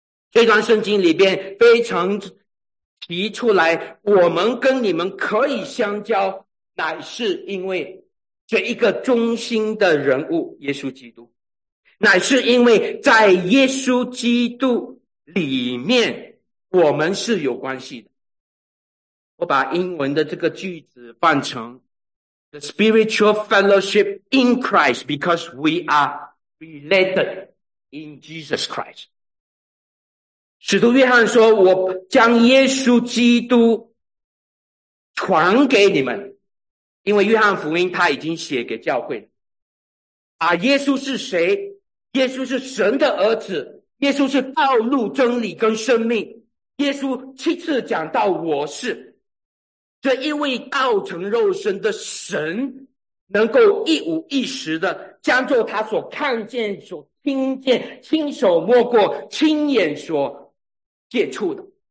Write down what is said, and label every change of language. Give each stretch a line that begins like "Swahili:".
Chinese: 这段圣经里面非常提出来，我们跟你们可以相交，乃是因为这一个中心的人物耶稣基督，乃是因为在耶稣基督里面我们是有关系的。我把英文的这个句子换成
English: The spiritual fellowship in Christ because we are related in Jesus Christ。
Chinese: 使徒约翰说，我将耶稣基督传给你们，因为约翰福音他已经写给教会了，啊，耶稣是谁？耶稣是神的儿子，耶稣是道路真理跟生命，耶稣七次讲到我是这一位道成肉身的神，能够一五一十的将作他所看见所听见亲手摸过亲眼所接触的